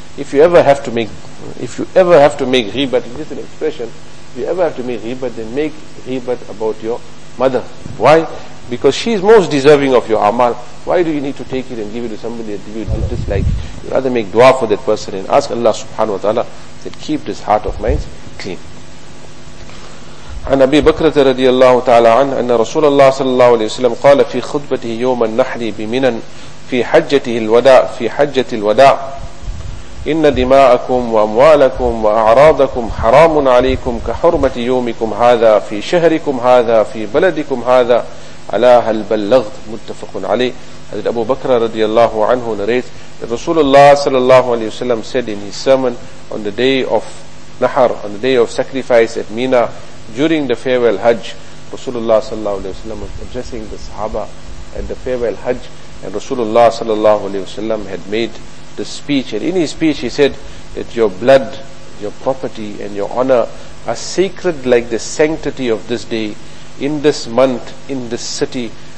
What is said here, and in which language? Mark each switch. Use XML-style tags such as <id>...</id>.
<en>If you ever have to make ribat, it is an expression, if you ever have to make ribat, then make ribat about your mother. Why? Because she is most deserving of your amal. Why do you need to take it and give it to somebody that you dislike? You rather make dua for that person and ask Allah subhanahu wa ta'ala that keep this heart of mine clean.</en> <ar>عن أبي بكرة رضي الله تعالى عنه أن رسول الله صلى الله عليه وسلم قال في خطبته يوم النحر بمنى في حجته الوداع في حجة الوداع إن دماءكم وأموالكم وأعراضكم حرام عليكم كحرمة يومكم هذا في شهركم هذا في بلدكم هذا ألا هل بلغت متفق عليه. حضرت أبو بكرة رضي الله عنه</ar> <en>narrates that</en> <ar>رسول الله صلى الله عليه وسلم</ar> <en>said in his sermon on the day of Nahar, on the day of sacrifice at Mina, during the farewell Hajj, Rasulullah sallallahu alayhi wa sallam was addressing the Sahaba at the farewell Hajj, and Rasulullah sallallahu alayhi wa sallam had made the speech, and in his speech he said that your blood, your property and your honor are sacred like the sanctity of this day, in this month, in this city.</en>